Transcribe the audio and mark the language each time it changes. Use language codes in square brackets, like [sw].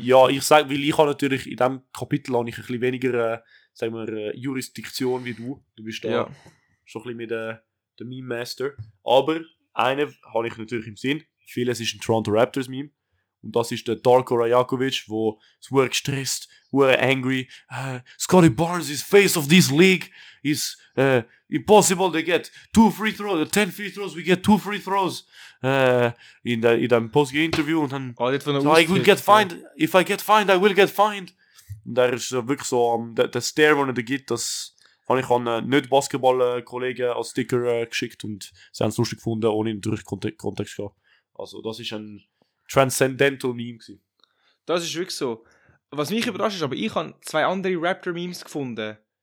[de] Ja, ich sage, weil ich habe natürlich in diesem Kapitel habe ich ein bisschen weniger, sagen wir, Jurisdiktion wie du. Du bist da schon ein bisschen mit dem Meme Master. Aber einen habe ich natürlich im Sinn. Vieles ist ein Toronto Raptors Meme. Und das ist der Darko Rajakovic, der sehr gestresst, sehr angry. [en] Scotty Barnes is face of this league. It's impossible to get 2 free throws. 10 free throws, we get 2 free throws. [de] In dem Post-Game-Interview. Und dann, oh, so [en] I will get fined. If I get fined, I will get fined. [de] Und da ist wirklich so, der Stare, den er da gibt, das habe ich an Nicht-Basketball-Kollegen als Sticker geschickt und sie haben es lustig gefunden, ohne ihn durch Kontext gehabt. Also das ist ein Transcendental Meme gewesen. Das ist wirklich so. Was mich überrascht ist, aber ich habe zwei andere Raptor-Memes gefunden.